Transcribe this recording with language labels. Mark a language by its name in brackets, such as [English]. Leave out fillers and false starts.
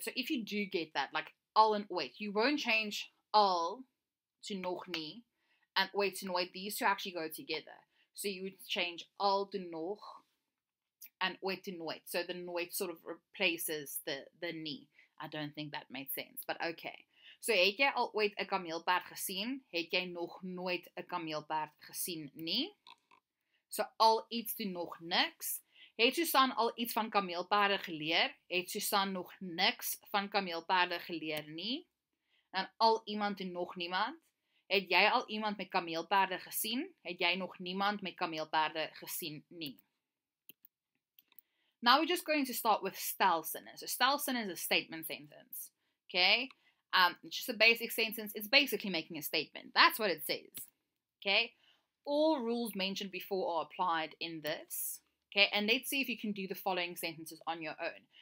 [English] So if you do get that, like al and ooit, you won't change al to nog nie and ooit to nooit. These two actually go together. So you would change al to nog and ooit to nooit. So the nooit sort of replaces the nie. I don't think that made sense, but okay. [Afrikaans] So het jy al ooit 'n kameelperd gesien? Het jy nog nooit 'n kameelperd gesien nie? [English] So al iets to nog niks. [Afrikaans] Het Susan al iets van kameelperde geleer? Het Susan nog niks van kameelperde geleer nie? En al iemand en nog niemand? Het jy al iemand met kameelperde gesien? Het jy nog niemand met kameelperde gesien nie? [English] Now we're just going to start with stelsinne. So stelsinne is a statement sentence. Okay? It's just a basic sentence. It's basically making a statement. That's what it says. Okay? All rules mentioned before are applied in this. Okay, and let's see if you can do the following sentences on your own.